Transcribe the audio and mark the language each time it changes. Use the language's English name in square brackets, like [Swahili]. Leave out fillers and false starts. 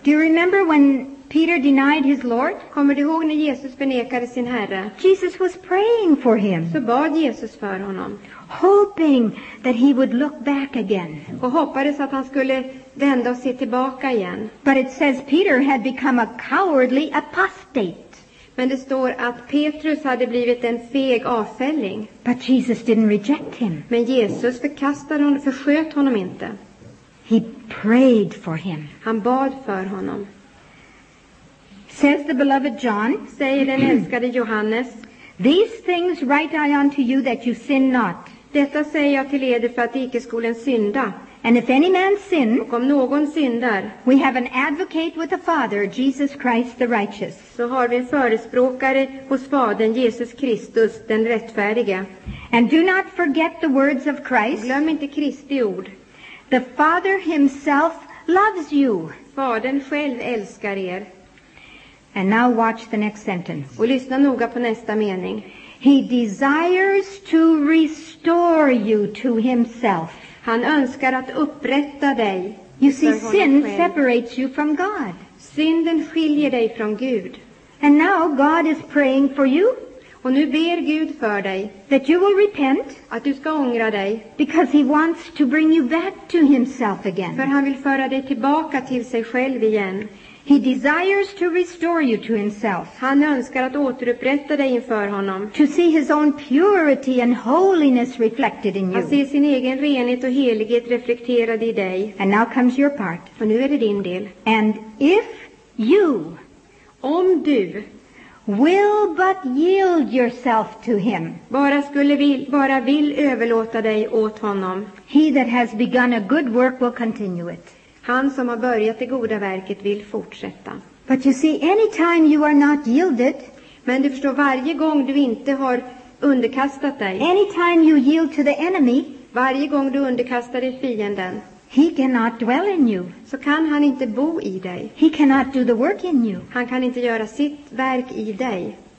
[English] Do you remember when Peter denied his Lord? [Swedish] Kommer du ihåg när Jesus förnekade sin Herre? [English] Jesus was praying for him. [Swedish] Så bad Jesus för honom. [English] Hoping that he would look back again. [Swedish] Och hoppades att han skulle vända och se tillbaka igen. [English] But it says Peter had become a cowardly apostate. [Swedish] Men det står att Petrus hade blivit en feg avfälling. [English] But Jesus didn't reject him. [Swedish] Men Jesus förkastade honom, försköt honom inte. [English] He prayed for him. [Swedish] Han bad för honom. [English] Says the beloved John, [Swedish] säger den älskade Johannes, [English] these things write I unto you that you sin not. [Swedish] Detta säger jag till er för att icke skolen synda. [English] And if any man sin, [Swedish] och om någon syndar, [English] we have an advocate with the Father, Jesus Christ the righteous. [Swedish] Så har vi en förespråkare hos Fadern, Jesus Kristus, den rättfärdige. [English] And do not forget the words of Christ. [Swedish] Glöm inte Kristi ord. [English] The Father himself loves you. [Swedish] Fadern själv älskar er. [English] And now watch the next sentence. [Swedish] Och lyssna noga på nästa mening. [English] He desires to restore you to himself. [Swedish] Han önskar att upprätta dig. [English] You see, sin separates you from God. [Swedish] Synden skiljer dig från Gud. [English] And now God is praying for you. [Swedish] Och nu ber Gud för dig. [English] That you will repent. [Swedish] Att du ska ångra dig. [English] Because he wants to bring you back to himself again. [Swedish] För han vill föra dig tillbaka till sig själv igen. [English] He desires to restore you to himself. [Swedish] Han önskar att återupprätta dig inför honom. [English] To see his own purity and holiness reflected in you. [Swedish] Att se sin egen renhet och helighet reflekterad i dig. [English] And now comes your part. [Swedish] Och nu är det din del. [English] And if you, [Swedish] om du, [English] will but yield yourself to him. [Swedish] Bara skulle vi bara vill överlåta dig åt honom. [English] He that has begun a good work will continue it. [Swedish] Han som har börjat det goda verket vill fortsätta. [English] But you see, anytime you are not yielded, [Swedish] men du förstår, varje gång du inte har underkastat dig, [English] anytime you yield to the enemy, [Swedish] varje gång du underkastar dig fienden, [English] he cannot dwell in you. [Swedish] Så kan han inte bo i dig. [English] He cannot do the work in you. [Swedish] Han kan inte göra sitt verk i dig.